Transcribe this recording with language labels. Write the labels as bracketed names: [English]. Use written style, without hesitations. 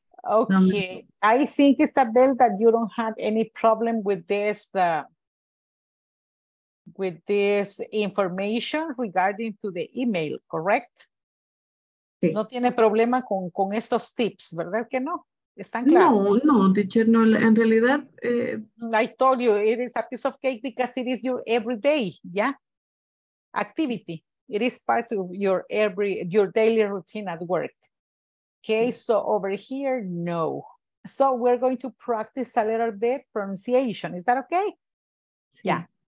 [English] Okay, I think, Isabel, that you don't have any problem with this information regarding to the email, correct? [Spanish] Sí. No tiene problema con estos tips, ¿verdad que no? ¿Están claros? No, no, teacher, no, en realidad. [English] I told you, it is a piece of cake because it is your everyday, yeah? Activity. It is part of your daily routine at work. Okay, so over here, no. So we're going to practice a little bit pronunciation. Is that okay? Sí. Yeah.